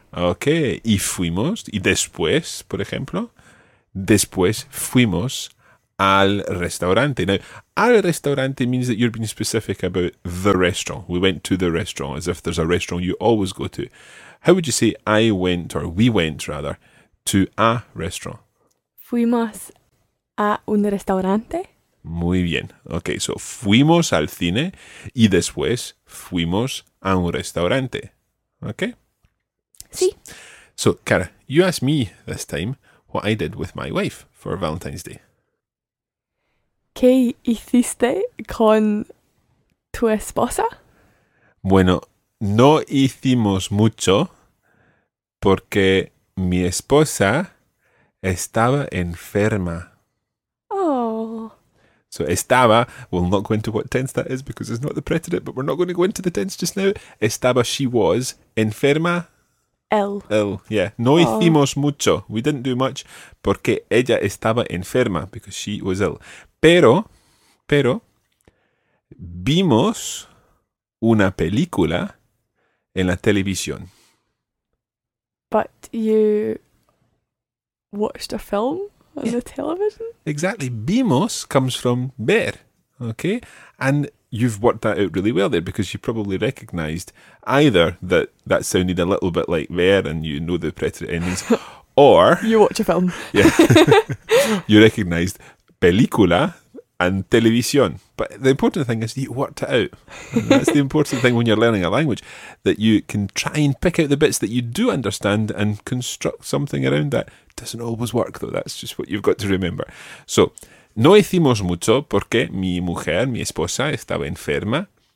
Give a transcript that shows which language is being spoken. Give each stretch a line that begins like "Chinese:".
Spanish: Okay, y fuimos, y después, por ejemplo, después fuimos al restaurante.
English: Now,
Spanish: al restaurante
English: means that you're being specific about the restaurant. We went to the restaurant, as if there's a restaurant you always go to. How would you say I went, or we went, rather, to a restaurant?
Spanish: Fuimos a un restaurante. Muy bien.
English: Okay, so
Spanish: fuimos al cine y después fuimos a un restaurante.
English: Okay?
Spanish: Sí.
English: So, Cara, you asked me this time what I did with my wife for Valentine's Day.
Spanish: ¿Qué hiciste con tu esposa? Bueno, no hicimos mucho porque mi esposa estaba enferma.
English: So
Spanish: estaba,
English: we'll not go into what tense that is because it's not the preterite, but we're not going to go into the tense just now.
Spanish: Estaba,
English: she was,
Spanish: enferma.
English: Ill. Ill, yeah.
Spanish: No hicimos mucho.
English: We didn't do much
Spanish: porque ella estaba enferma,
English: because she was ill.
Spanish: Pero, vimos una película en la televisión.
English: But you watched a film? On the television? Exactly. Vimos comes from ver. Okay? And you've worked that out really well there because you probably recognised either that sounded a little bit like ver and you know the preterite endings, or... You watch a film. Yeah. You recognised película and televisión. But the important thing is you worked it out. And that's the important thing when you're learning a language, that you can try and pick out the bits that you do understand and construct something around that. Doesn't always work, though. That's just what you've got to remember.
Spanish: So, no hicimos mucho porque mi mujer, mi esposa, estaba enferma.